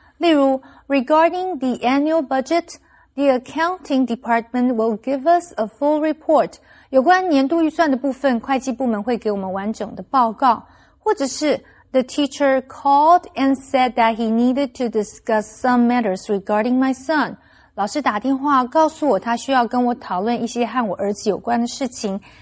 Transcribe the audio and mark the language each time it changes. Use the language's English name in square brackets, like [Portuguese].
[Chinese] 例如 [English] ,regarding the annual budget, the accounting department will give us a full report. [Chinese] 有关年度预算的部分会计部门会给我们完整的报告。或者是 [English] The teacher called and said that he needed to discuss some matters regarding my son. [Chinese] 老师打电话告诉我他需要跟我讨论一些和我儿子有关的事情。